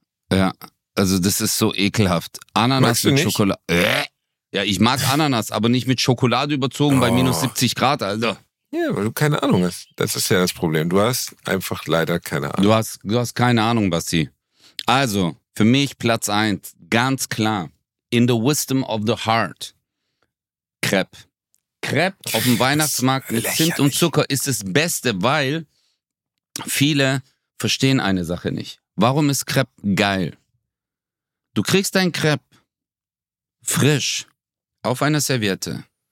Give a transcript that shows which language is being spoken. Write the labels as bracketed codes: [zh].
[de] Ja, also das ist so ekelhaft. Ananas mit Schokolade. Ja, ich mag Ananas, aber nicht mit Schokolade überzogen bei minus 70 Grad, Alter. Ja, weil du keine Ahnung hast. Das ist ja das Problem. Du hast einfach leider keine Ahnung. Du hast keine Ahnung, Basti. Also, für mich Platz 1, ganz klar. [en] In the wisdom of the heart. [de] Crepe. Crepe auf dem Weihnachtsmarkt mit Zimt und Zucker ist das Beste, weil viele verstehen eine Sache nicht. Warum ist Crepe geil? Du kriegst dein Crepe frisch auf einer Serviette.